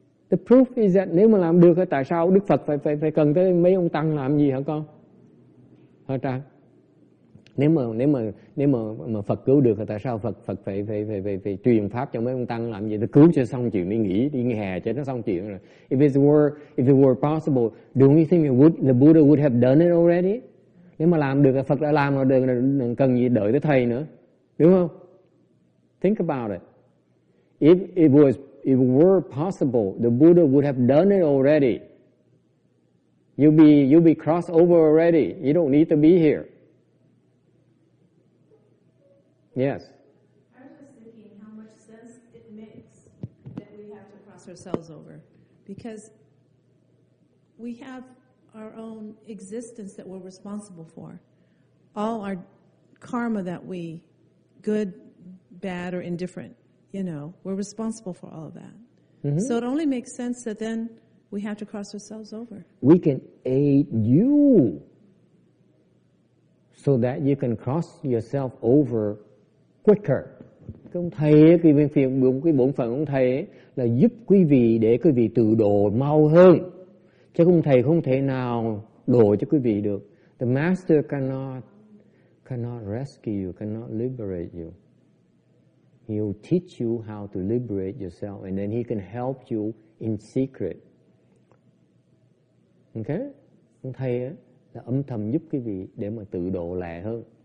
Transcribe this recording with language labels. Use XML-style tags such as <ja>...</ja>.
<en>The proof is that</en> <vi>nếu mà làm được thì tại sao Đức Phật phải cần tới mấy ông tăng làm gì hả con? Hả Trang? Nếu mà Phật cứu được thì tại sao Phật phải truyền pháp cho mấy ông tăng làm gì? Để cứu cho xong chuyện đi nghỉ, đi nghỉ hè cho nó xong chuyện rồi.</vi> <en>If it were possible, don't you think the Buddha would have done it already?</en> <vi>Nếu mà làm được thì Phật đã làm rồi, đừng cần gì đợi tới thầy nữa. Đúng không?</vi> <en>Think about it. If it were possible, the Buddha would have done it already. You'll be crossed over already. You don't need to be here. Yes. I was just thinking how much sense it makes that we have to cross ourselves over. Because we have our own existence that we're responsible for. All our karma that we, good, bad, or indifferent, you know, we're responsible for all of that. Mm-hmm. So it only makes sense that then we have to cross ourselves over. We can aid you so that you can cross yourself over quicker.</en> <vi>Cái ông thầy ấy, cái bên phiền, cái bổn phận ông thầy ấy, là giúp quý vị để quý vị tự độ mau hơn. Chứ ông thầy không thể nào độ cho quý vị được.</vi> <en>The master cannot rescue you, cannot liberate you. He'll teach you how to liberate yourself, and then he can help you in secret. Okay?</en> <vi>Ông thầy ấy, là âm thầm giúp quý vị để mà tự độ lẹ hơn.</vi>